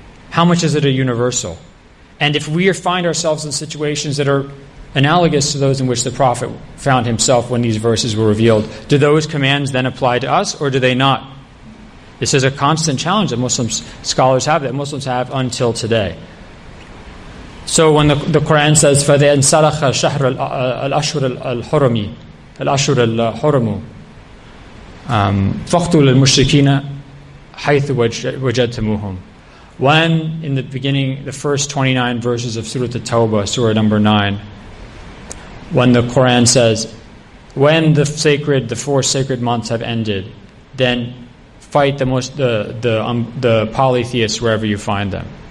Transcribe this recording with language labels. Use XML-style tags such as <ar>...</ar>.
<en>How much is it a universal? And if we find ourselves in situations that are analogous to those in which the Prophet found himself when these verses were revealed, do those commands then apply to us, or do they not? This is a constant challenge that Muslims have until today.</en> <ar>So when the Quran says, فَذَيَنْسَلَخَ شَهْرَ الْأَشْهُرَ الْحُرَمِ الْأَشْهُرَ الْحُرَمُ فَقْتُلَ الْمُشْرِكِينَ حَيْثُ وَجَدْتَمُوهُمْ.</ar> <en>When in the beginning, the first 29 verses of Surah At-Tawbah, Surah number 9, when the Quran says, when the four sacred months have ended, then fight the polytheists wherever you find them.</en>